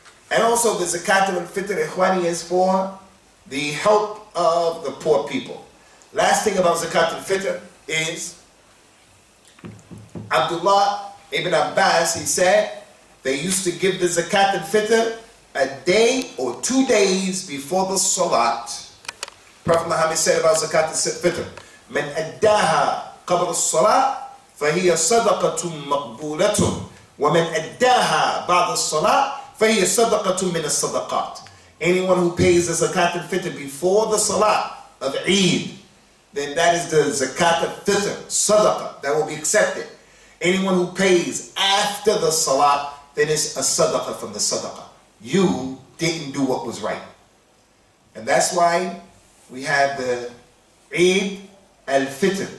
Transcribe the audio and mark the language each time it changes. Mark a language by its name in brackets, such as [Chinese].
[English] And also the zakat al-fitr, ikhwani, is for the help of the poor people. Last thing about zakat al-fitr is Abdullah ibn Abbas, he said, they used to give the zakat al-fitr a day or 2 days before the salat. Prophet Muhammad said about zakat al-fitr, [Arabic] من أداها قبل الصلاة فهي صدقة مقبولة ومن أداها بعد الصلاة فهي صدقة من الصدقات. [English] Anyone who pays the zakat al-fitr before the salat of Eid, then that is the zakat al-fitr, sadaqah, that will be accepted. Anyone who pays after the salat, then it's a sadaqah from the sadaqah. You didn't do what was right. And that's why we have the Eid al-fitr.